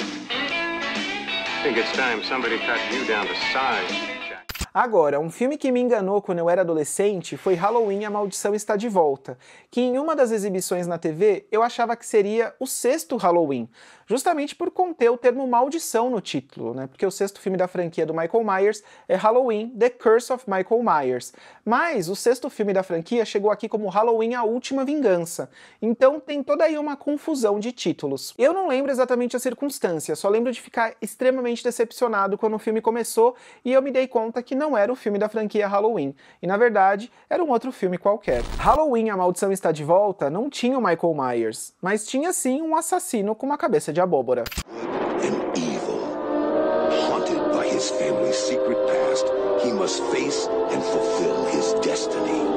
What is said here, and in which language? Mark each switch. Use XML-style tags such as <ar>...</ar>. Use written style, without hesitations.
<en>I think it's time somebody cut you down to size.</en> <pt>Agora, um filme que me enganou quando eu era adolescente foi Halloween, A Maldição Está de Volta, que em uma das exibições na TV, eu achava que seria o sexto Halloween, justamente por conter o termo maldição no título, né? Porque o sexto filme da franquia do Michael Myers é Halloween, The Curse of Michael Myers. Mas o sexto filme da franquia chegou aqui como Halloween, A Última Vingança. Então tem toda aí uma confusão de títulos. Eu não lembro exatamente a circunstância, só lembro de ficar extremamente decepcionado quando o filme começou e eu me dei conta que não era o filme da franquia Halloween. E na verdade, era um outro filme qualquer. Halloween, A Maldição Está de Volta não tinha o Michael Myers, mas tinha sim um assassino com uma cabeça de abóbora.</pt> <en>An evil, haunted by his family's secret past, he must face and fulfill his destiny.</en>